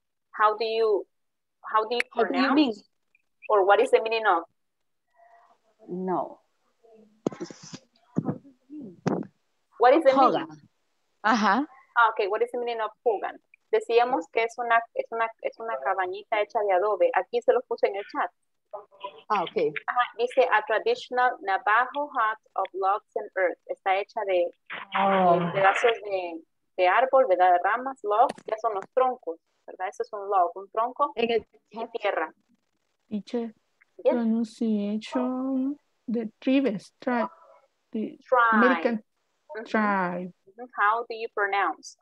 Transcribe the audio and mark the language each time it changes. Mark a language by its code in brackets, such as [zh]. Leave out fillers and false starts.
[en] How do you pronounce? How do you mean? Or what is the meaning of? No. What is the hogan meaning? Uh-huh. Okay, what is the meaning of hogan? [es] Decíamos que es una cabañita hecha de adobe. Aquí se lo puse en el chat. [en] Ah, okay. [es] Ajá, dice [en] a traditional Navajo hut of logs and earth. [es] Está hecha de pedazos de árbol, ¿verdad? De ramas, logs, ya son los troncos, ¿verdad? Eso es un log, un tronco y tierra. [en] Pronunciation the tribes, tribe. How do you pronounce?